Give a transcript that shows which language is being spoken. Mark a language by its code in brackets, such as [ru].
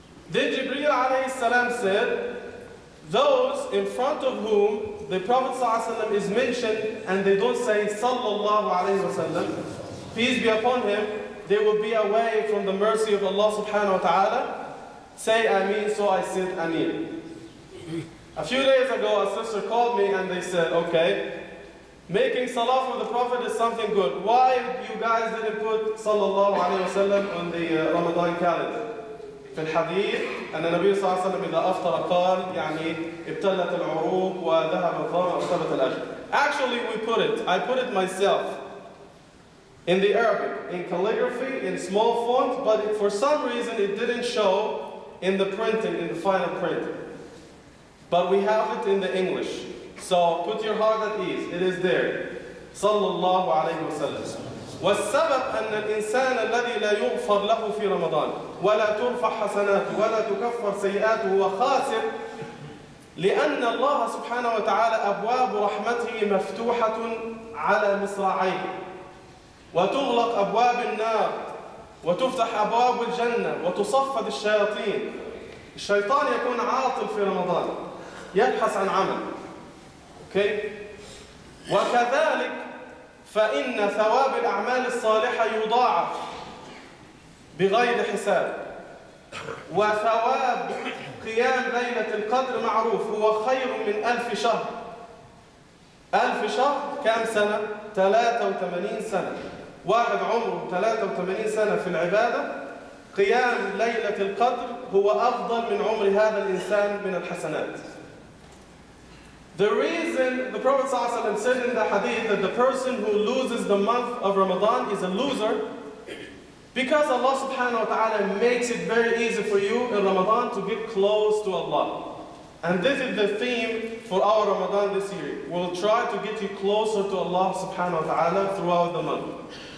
[en] Then Jibreel alayhi salam said, those in front of whom the Prophet sallallahu alayhi wa sallam is mentioned and they don't say sallallahu alayhi wa sallam, peace be upon him, they will be away from the mercy of Allah subhanahu wa ta'ala. Say Ameen. So I said Ameen. A few days ago, a sister called me and they said, okay, making salah for the Prophet is something good. Why you guys didn't put sallallahu alayhi wa sallam on the Ramadan calendar? [ar] في الحديث أن النبي صلى الله عليه وسلم إذا أفطر قال يعني ابتلت العروق وذهب الظمأ وثبت الأجر. [en] Actually, we put it. I put it myself in the Arabic, in calligraphy, in small font, but for some reason it didn't show in the printing, in the final printing. But we have it in the English. So put your heart at ease. It is there. [ar] صلى الله عليه وسلم. والسبب أن الإنسان الذي لا يغفر له في رمضان ولا ترفع حسناته ولا تكفر سيئاته هو خاسر لأن الله سبحانه وتعالى أبواب رحمته مفتوحة على مصراعيه وتغلق أبواب النار وتفتح أبواب الجنة وتصفد الشياطين. الشيطان يكون عاطل في رمضان يبحث عن عمل. [en] Okay. [ar] وكذلك فإن ثواب الأعمال الصالحة يضاعف بغير حساب وثواب قيام ليلة القدر معروف هو خير من ألف شهر. ألف شهر كم سنة؟ 83 سنة. واحد عمره 83 سنة في العبادة. قيام ليلة القدر هو أفضل من عمر هذا الإنسان من الحسنات. [en] The reason the Prophet ﷺ said in the hadith that the person who loses the month of Ramadan is a loser, because Allah subhanahu wa ta'ala makes it very easy for you in Ramadan to get close to Allah. And this is the theme for our Ramadan this year. We'll try to get you closer to Allah subhanahu wa ta'ala throughout the month.